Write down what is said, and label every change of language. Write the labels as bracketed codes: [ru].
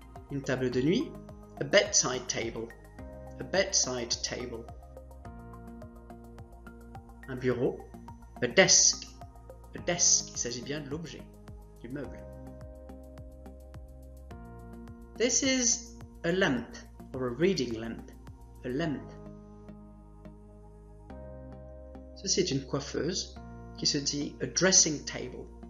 [fr] Une table de nuit, [en] a bedside table, a bedside table. [fr] Un bureau, [en] a desk, [fr] il s'agit bien de l'objet, du meuble. [en] This is a lamp, or a reading lamp. A lamp. [fr] Ceci est une coiffeuse qui se dit [en] a dressing table.